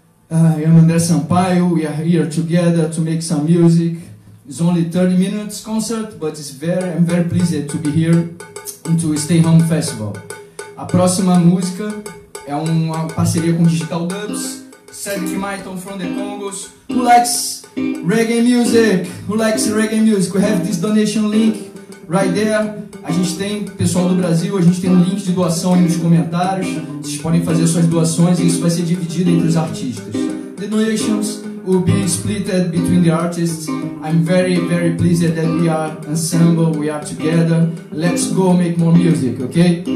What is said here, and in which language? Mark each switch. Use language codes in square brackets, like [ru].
[en] I'm André Sampaio, we are here together to make some music. It's only 30 minutes concert, but I'm very pleased to be here into Stay Home Festival. [pt] A próxima música é uma parceria com Digital Dubs, Cedric Maiton from the Congos. [en] Who likes reggae music? Who likes reggae music? We have this donation link right there. [pt] A gente tem pessoal do Brasil, a gente tem um link de doação aí nos comentários. Vocês podem fazer suas doações e isso vai ser dividido entre os artistas. [en] The donations will be split between the artists. I'm very, very pleased that we are ensemble, we are together. Let's go make more music, ok?